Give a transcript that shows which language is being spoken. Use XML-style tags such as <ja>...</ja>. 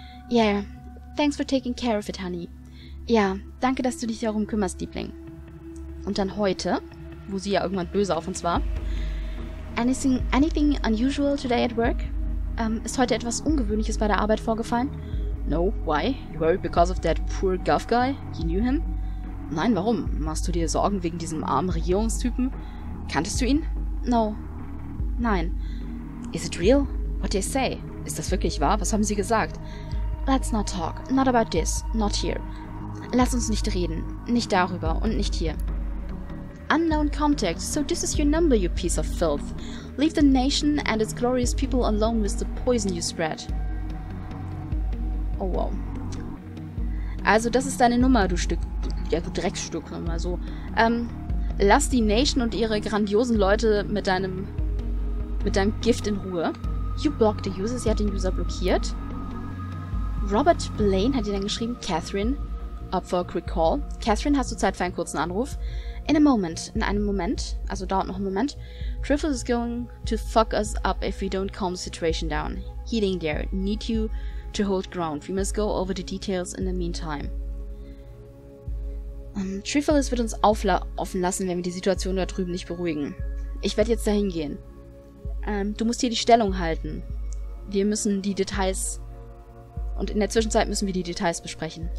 <en>Yeah, thanks for taking care of it, honey.</en> <de>Ja, danke, dass du dich darum kümmerst, Liebling. Und dann heute, wo sie ja irgendwann böse auf uns war.</de> <en>Anything unusual today at work?</en> <de>Ist heute etwas Ungewöhnliches bei der Arbeit vorgefallen?</de> <en>No, why? You worried because of that poor guff guy? You knew him?</en> <de>Nein, warum? Machst du dir Sorgen wegen diesem armen Regierungstypen? Kanntest du ihn?</de> <en>No.</en> <de>Nein.</de> <en>Is it real? What did they say?</en> <de>Ist das wirklich wahr? Was haben sie gesagt?</de> <en>Let's not talk. Not about this. Not here.</en> <de>Lass uns nicht reden. Nicht darüber und nicht hier.</de> <en>Unknown contact. So this is your number, you piece of filth. Leave the nation and its glorious people alone with the poison you spread. Oh wow.</en> <de>Also das ist deine Nummer, du Stück... Ja, du Drecksstück, sagen wir mal so. Lass die Nation und ihre grandiosen Leute mit deinem... mit deinem Gift in Ruhe.</de> <en>You blocked the user.</en> <de>Sie hat den User blockiert. Robert Blaine hat dir dann geschrieben. Catherine...</de> <en>Up for a quick call.</en> <de>Catherine, hast du Zeit für einen kurzen Anruf?</de> <en>In a moment.</en> <de>In einem Moment. Also dauert noch einen Moment.</de> <en>Triffles is going to fuck us up if we don't calm the situation down. Heading there. Need you to hold ground. We must go over the details in the meantime.</en> <de>Triffles wird uns offen lassen, wenn wir die Situation da drüben nicht beruhigen. Ich werde jetzt dahin gehen. Du musst hier die Stellung halten. Wir müssen die Details... Und in der Zwischenzeit müssen wir die Details besprechen.</de>